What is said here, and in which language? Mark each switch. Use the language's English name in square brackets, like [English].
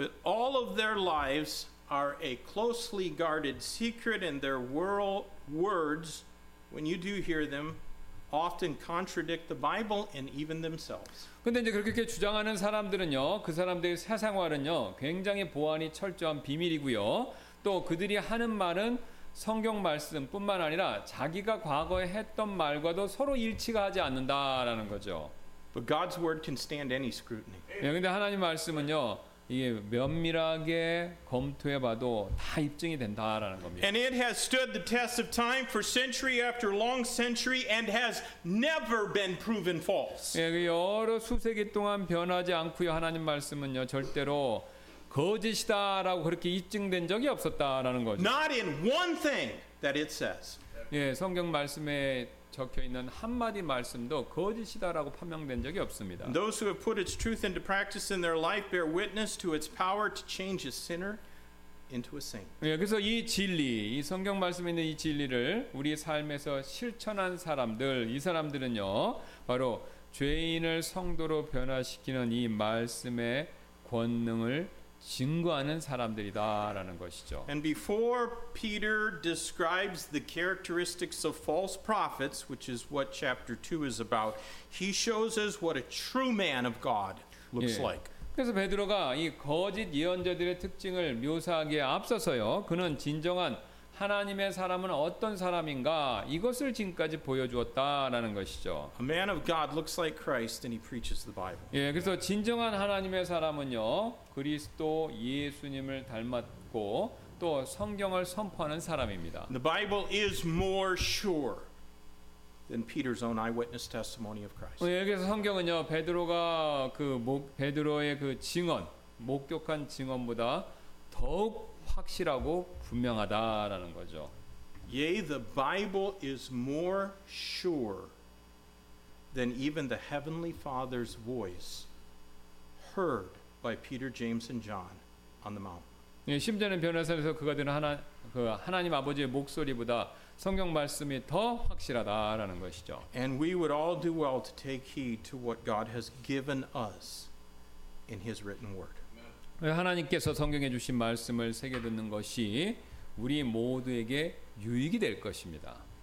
[English] But all of their lives are a closely guarded secret and their words when you do hear them often contradict the Bible and even themselves. [Korean] 근데 이제 그렇게 주장하는 사람들은요. 그 사람들의 사생활은요. 굉장히 보안이 철저한 비밀이고요. 또 그들이 하는 말은 성경 말씀뿐만 아니라 자기가 과거에 했던 말과도 서로 일치가 하지 않는다라는 거죠. [English] But God's word can stand any scrutiny. [Korean] 예, 근데 하나님 말씀은요. 이게 면밀하게 검토해 봐도 다 입증이 된다라는 겁니다. [English] And it has stood the test of time for century after long century and has never been proven false. [Korean] 예, 그 여러 수세기 동안 변하지 않고요. 하나님 말씀은요. 절대로 거짓이다라고 그렇게 입증된 적이 없었다라는 거죠. [English] Not in one thing that it says. [Korean] 예, 성경 말씀에 적혀 있는 한 마디 말씀도 거짓이다라고 판명된 적이 없습니다. [English] Those who have put its truth into practice in their life bear witness to its power to change a sinner into a saint. [Korean] 예, 그래서 이 진리, 이 성경 말씀에 있는 이 진리를 우리 삶에서 실천한 사람들, 이 사람들은요, 바로 죄인을 성도로 변화시키는 이 말씀의 권능을 증거하는 사람들이다라는 것이죠. [English] And before Peter describes the characteristics of false prophets, which is what chapter 2 is about, he shows us what a true man of God looks [Korean] 예. [English] like. [Korean] 그래서 베드로가 이 거짓 예언자들의 특징을 묘사하기에 앞서서요. 그는 진정한 하나님의 사람은 어떤 사람인가 이것을 지금까지 보여주었다라는 것이죠. [English] A man of God looks like Christ and he preaches the Bible. [Korean] 예, 그래서 진정한 하나님의 사람은요 그리스도 예수님을 닮았고 또 성경을 선포하는 사람입니다. [English] The Bible is more sure than Peter's own eyewitness testimony of Christ. [Korean] 예, 그래서 성경은요 베드로가 그 베드로의 그 증언, 목격한 증언보다 더욱 확실하고 분명하다라는 거죠. [English] Yea, the Bible is more sure than even the Heavenly Father's voice heard by Peter, James, and John on the mount. [Korean] 예, 심지어는 변화산에서 그가 들은 하나님 아버지의 목소리보다 성경 말씀이 더 확실하다라는 것이죠. [English] And we would all do well to take heed to what God has given us in His written word. [Korean] 하나님께서 성경에 주신 말씀을 새겨 듣는 것이 우리 모두에게 유익이 될 것입니다.